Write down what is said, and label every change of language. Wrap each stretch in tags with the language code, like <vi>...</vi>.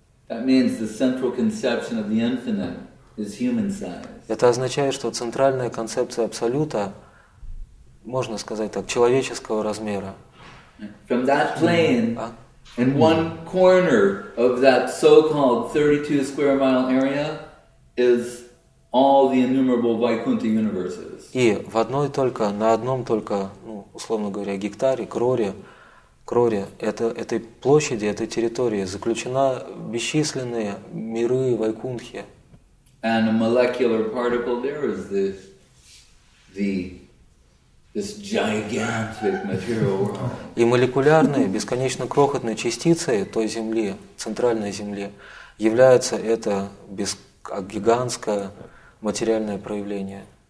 <en>That means the central conception of the infinite is human size.</en> <ru>Это означает, что центральная концепция Абсолюта, можно сказать так, человеческого размера.</ru> <en>From that plane, in one corner of that so-called 32 square mile area is all the innumerable Vaikuntha universes.</en> <ru>И в одной только, на одном только, ну, условно говоря, гектаре, кроре, этой площади, этой территории заключена бесчисленные миры Вайкунтхи.</ru> <en>And a molecular particle there is this gigantic material world.</en> <ru>И молекулярные, бесконечно крохотные частицы той Земли, центральной Земли, является это гигантское материальное проявление.</ru>